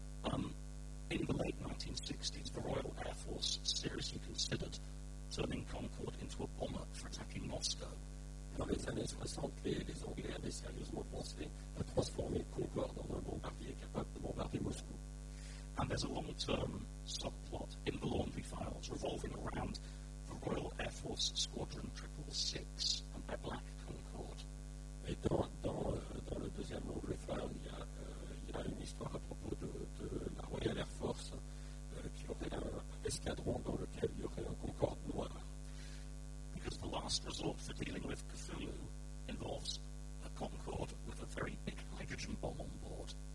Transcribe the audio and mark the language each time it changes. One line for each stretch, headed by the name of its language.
English: In the late 1960s, the Royal Air Force seriously considered turning Concorde into a bomber for attacking Moscow.
French: Dans les années 60, les Anglais avaient sérieusement pensé à transformer Concorde en un bombardier capable de bombarder Moscou.
English: And there's a long-term subplot in the Laundry Files revolving around the Royal Air Force Squadron 666 and their black Concorde.
French: Et dans le deuxième Laundry File, il y a une histoire à propos de la Royal Air Force qui aurait un escadron dans lequel il y aurait un Concorde noir.
English: Because the last resort for dealing with Cthulhu involves a Concorde with a very big hydrogen bomb on board.